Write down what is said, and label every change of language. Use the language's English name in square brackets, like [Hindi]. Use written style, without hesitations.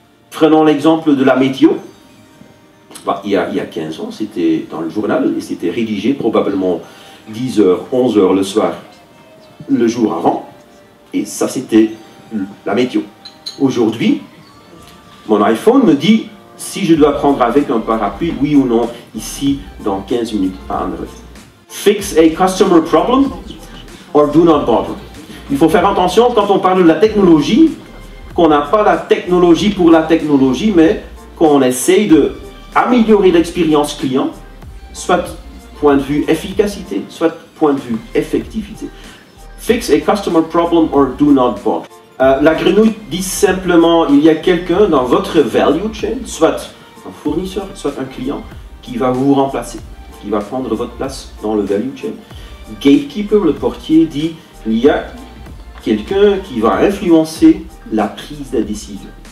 [French] Prenons l'exemple de la météo. Il y a 15 ans, c'était dans le journal et c'était rédigé probablement 10h, 11h le soir, le jour avant. Et ça, c'était la météo. Aujourd'hui, mon iPhone me dit si je dois prendre avec un parapluie, oui ou non, ici, dans 15 minutes. [English] Fix a customer problem or do not bother. [French] Il faut faire attention quand on parle de la technologie, qu'on n'a pas la technologie pour la technologie, mais qu'on essaye d'améliorer l'expérience client, soit point de vue efficacité, soit point de vue effectivité. [English] Fix a customer problem or do not bother. [French] La grenouille dit simplement, il y a quelqu'un dans votre value chain, soit un fournisseur, soit un client, qui va vous remplacer, qui va prendre votre place dans le value chain. Gatekeeper, le portier, dit, il y a quelqu'un qui va influencer la prise de décision.